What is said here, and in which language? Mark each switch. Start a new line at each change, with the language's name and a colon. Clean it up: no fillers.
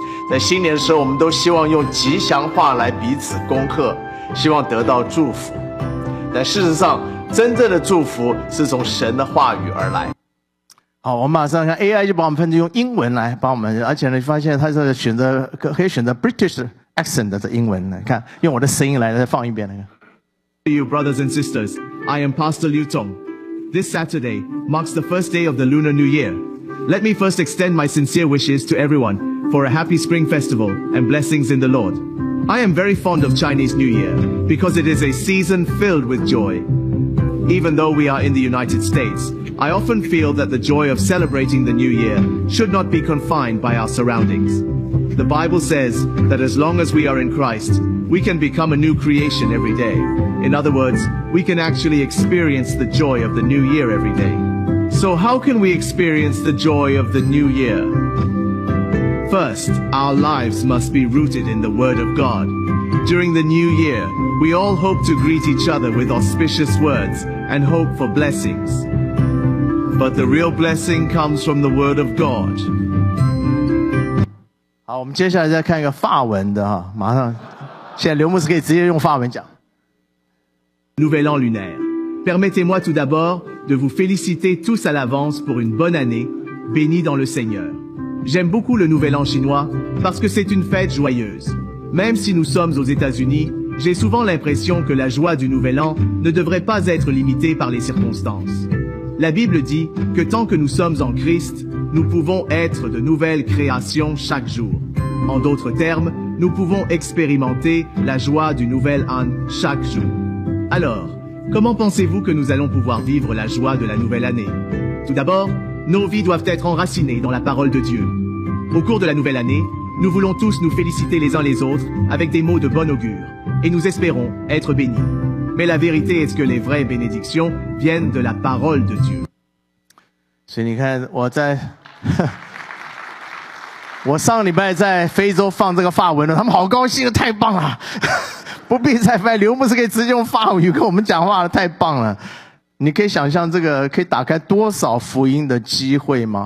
Chinese: 在新年的时候，我们都希望用吉祥话来彼此恭贺，希望得到祝福。但事实上，真正的祝福是从神的话语而来。好，我们马上看 AI 就把我们分成用英文来帮我们，而且呢，发现它是选择可以选择 British accent 的英文呢。看，用我的声音来再放一遍那个。
English: To you, brothers and sisters, I am Pastor Liu Tong. This Saturday marks the first day of the Lunar New Year. Let me first extend my sincere wishes to everyone for a happy Spring Festival and blessings in the Lord. I am very fond of Chinese New Year because it is a season filled with joy. Even though we are in the United States. I often feel that the joy of celebrating the new year should not be confined by our surroundings. The Bible says that as long as we are in Christ, we can become a new creation every day. In other words, we can actually experience the joy of the new year every day. So how can we experience the joy of the new year? First, our lives must be rooted in the Word of God. During the new year, we all hope to greet each other with auspicious words and hope for blessings. But the real blessing comes from the word of God.
Chinese: 好，我们接下来再看一个法文的哈，马上，现在刘牧师可以直接用法文讲。
French: Nouvel an lunaire. Permettez-moi tout d'abord de vous féliciter tous à l'avance pour une bonne année bénie dans le Seigneur. J'aime beaucoup le Nouvel An chinois parce que c'est une fête joyeuse. Même si nous sommes aux États-Unis, j'ai souvent l'impression que la joie du Nouvel An ne devrait pas être limitée par les circonstances. La Bible dit que tant que nous sommes en Christ, nous pouvons être de nouvelles créations chaque jour. En d'autres termes, nous pouvons expérimenter la joie du nouvel an chaque jour. Alors, comment pensez-vous que nous allons pouvoir vivre la joie de la nouvelle année? Tout d'abord, nos vies doivent être enracinées dans la parole de Dieu. Au cours de la nouvelle année, nous voulons tous nous féliciter les uns les autres avec des mots de bon augure et nous espérons être bénis. Mais la vérité est que les vraies bénédictions viennent de la parole de Dieu.
Chinese: 所以你看，我上礼拜在非洲放这个法文了，他们好高兴，太棒了，不必再翻，刘牧师可以直接用法语跟我们讲话了，太棒了。你可以想象这个可以打开多少福音的机会吗？